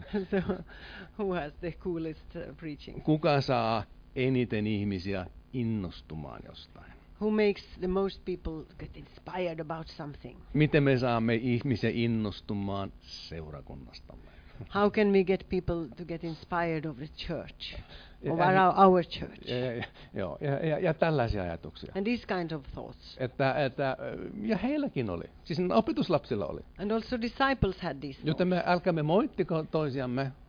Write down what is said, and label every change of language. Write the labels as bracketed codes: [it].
[en] So who has the coolest preaching? [fi] Kuka saa eniten ihmisiä innostumaan jostain? [en] Who makes the most people get inspired about something? [fi] Miten me saamme ihmisiä innostumaan seurakunnastamme? [en] How can we get people to get inspired of the church? Or our church? [fi] Ja tällaisia ajatuksia. [en] And these kinds of thoughts. [fi] Että ja heilläkin oli. Siis opetuslapsilla oli. [en] And also disciples had these. [fi] Joten me älkäämme moittiko toisiamme.